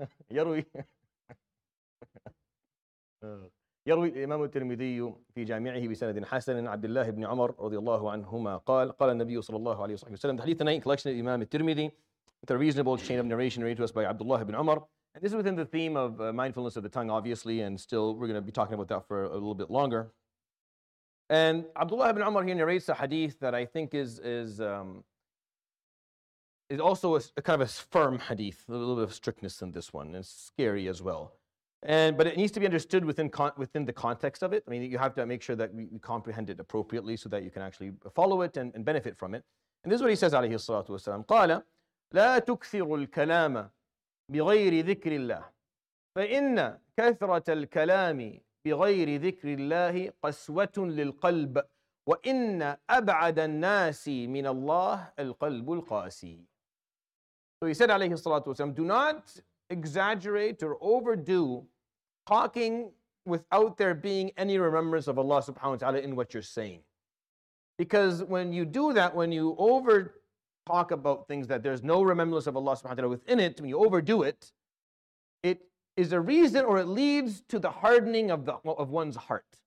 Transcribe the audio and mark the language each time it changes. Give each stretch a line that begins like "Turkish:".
Arabic: يروي يروي الإمام الترمذي في جامعه بسند حسن عبد الله بن عمر رضي الله عنهما قال قال النبي صلى الله عليه وصحبه وسلم حديث نائن
English: collection of
Arabic: الإمام الترمذي
English: with a reasonable chain of narration related to us by
Arabic: عبد الله بن عمر.
English: And this is within the theme of mindfulness of the tongue, obviously, and still we're going to be talking about that for a little bit longer. And Abdullah ibn Umar here narrates a hadith that I think is also a kind of a firm hadith, a little bit of strictness in this one, and it's scary as well. And but it needs to be understood within the context of it. I mean, you have to make sure that we comprehend it appropriately so that you can actually follow it and benefit from it. And this is what he says, alayhi salatu wasalam,
Arabic: قَالَ لَا تُكْثِرُ الْكَلَامَ بغير ذكر الله فإن كثرة الكلام بغير ذكر الله قسوة للقلب وإن أبعد الناس من الله القلب القاسي.
English: So he said عليه الصلاة والسلام, do not exaggerate or overdo talking without there being any remembrance of Allah subhanahu wa ta'ala in what you're saying. Because when you do that, when you over talk about things that there's no remembrance of Allah subhanahu wa ta'ala within it, when you overdo it, it is a reason or it leads to the hardening of one's heart.